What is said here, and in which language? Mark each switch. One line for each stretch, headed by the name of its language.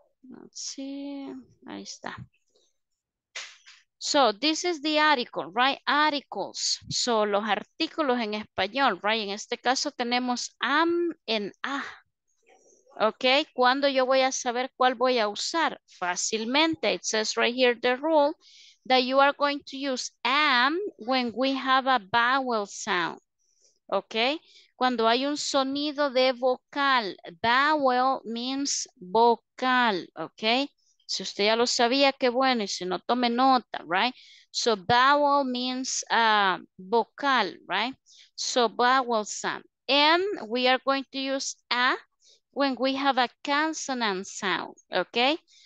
English: Let's see,
Spanish: ahí está.
English: So this is the article, right? Articles, so
Spanish: los artículos en español, right? En este caso tenemos am and a, okay? ¿Cuándo yo voy a saber cuál voy a usar?
English: Fácilmente, it says right here the rule that you are going to use am when we have a vowel sound, okay?
Spanish: Cuando hay un sonido de vocal,
English: vowel means vocal,
Spanish: ¿ok? Si usted ya lo sabía, qué bueno, y si no, tome nota,
English: ¿right? So vowel means vocal, ¿right? So vowel sound. And we are going to use a when we have a consonant sound, ¿ok?